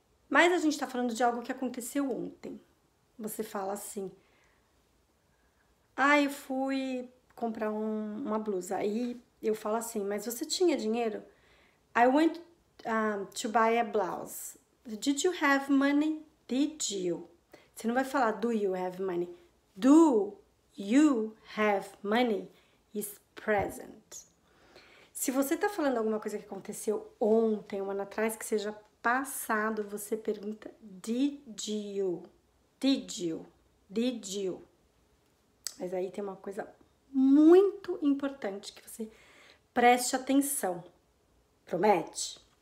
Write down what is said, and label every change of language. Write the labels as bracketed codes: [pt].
[pt] Mas a gente está falando de algo que aconteceu ontem. Você fala assim: Ah, eu fui comprar uma blusa. Aí eu falo assim: Mas você tinha dinheiro? [en] I went to buy a blouse. Did you have money? Did you? [pt] Você não vai falar [en] do you have money. Do you have money is present. [pt] Se você está falando alguma coisa que aconteceu ontem, um ano atrás, que seja passado, você pergunta did you? [en] Did you? Did you? [pt] Mas aí tem uma coisa muito importante que você preste atenção. Promete?